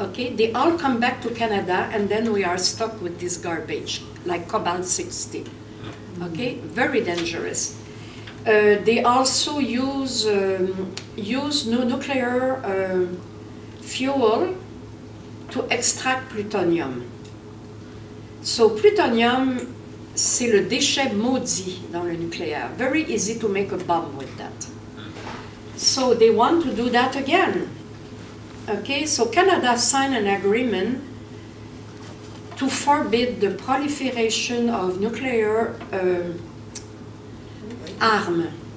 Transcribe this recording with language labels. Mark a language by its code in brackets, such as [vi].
[en] Okay, they all come back to Canada, and then we are stuck with this garbage, like cobalt-60. Okay, very dangerous. They also use no nuclear fuel to extract plutonium. [fr] So plutonium, c'est le déchet maudit dans le nucléaire. [en] Very easy to make a bomb with that. So they want to do that again. Okay, so Canada signed an agreement to forbid the proliferation of nuclear arms.